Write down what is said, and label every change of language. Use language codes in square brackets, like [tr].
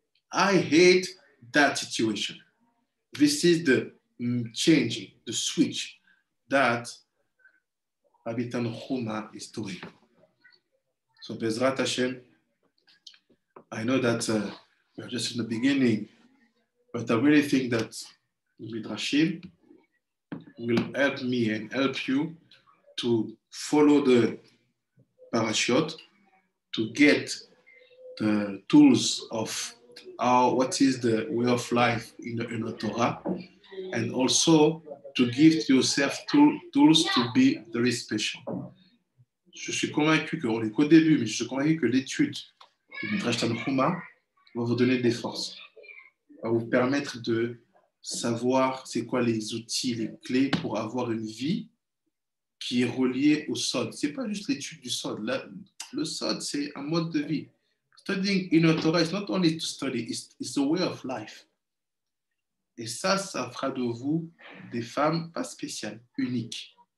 [en] I hate that situation. This is the changing, the switch that Habitan Huma is doing. So [he] Bezrat Hashem, [en] I know that we are just in the beginning, but I really think that Midrashim will help me and help you to follow the parashot, to get the tools of our, what is the way of life in the Torah, and also to give to yourself tools to be very special. [fr] Je suis convaincu que, on n'est qu'au début, mais je suis convaincu que l'étude du Midrash Tanhuma va vous donner des forces, va vous permettre de savoir c'est quoi les outils, les clés pour avoir une vie qui est reliée au Sod. Ce n'est pas juste l'étude du Sod. Le Sod, c'est un mode de vie. [en] Studying in the Torah is not only to study, it's a way of life. [fr] Et ça, ça fera de vous des femmes pas spéciales, uniques.